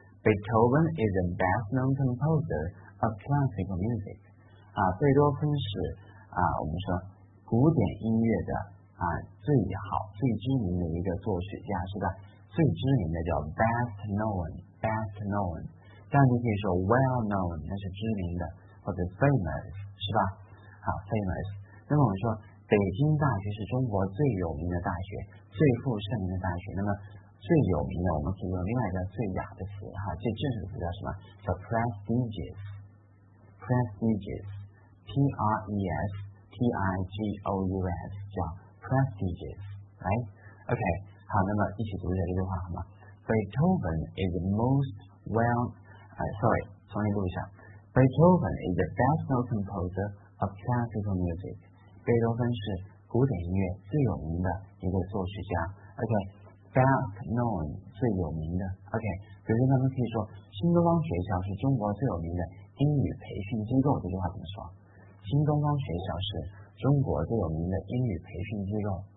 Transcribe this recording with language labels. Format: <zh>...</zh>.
<en>Beethoven is the best known composer of classical music.</en> <zh>啊，贝多芬是啊，我们说古典音乐的。啊，最好最知名的一个作曲家是吧？最知名的叫</zh> <en>best known， best known，</en> <zh>当然你可以说</zh> <en>well known，</en> <zh>那是知名的，或者</zh> <en>famous，</en> <zh>是吧？好 ，famous。那么我们说北京大学是中国最有名的大学，最负盛名的大学。那么最有名的，我们可以用另外一个最雅的词哈，最正式的词叫什么？</zh> <en>叫 prestigious， prestigious， P R E S T I G O U S， 叫 prestigious， right？</en> <zh>OK， 好，那么一起读一下这句话好吗？</zh> <en>Beethoven is the most well， sorry，</en> <zh>重新读一下。</zh> <en>Beethoven is the best known composer of classical music。</en> <zh>贝多芬是古典音乐最有名的一个作曲家。 OK，</zh> <en>best known</en> <zh>最有名的。 OK， 比如他们可以说，新东方学校是中国最有名的英语培训机构。这句话怎么说？新东方学校是中国最有名的英语培训机构。</zh>